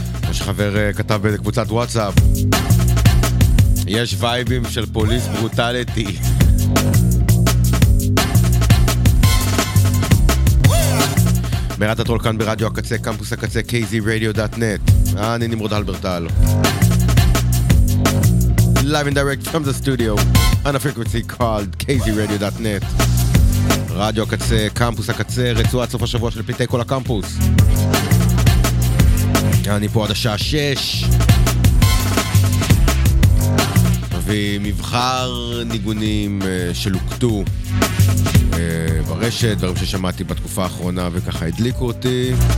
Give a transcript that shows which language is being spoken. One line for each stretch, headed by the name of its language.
Hebrew: יש חבר כתב בקבוצת וואטסאפ, יש וייבים של פוליס ברוטליטי. מרת הטרול כאן ברדיו הקצה, קמפוס הקצה, kzradio.net. אני נמרוד אלברטל.
English: Live and direct from the studio, on a frequency called kzradio.net.
Hebrew: רדיו הקצה, קמפוס הקצה, רצועת סוף השבוע של פליטי כל הקמפוס. אני פה עד השעה 6. ומבחר ניגונים שלוקטו ברשת, דברים ששמעתי בתקופה האחרונה וככה הדליקו אותי.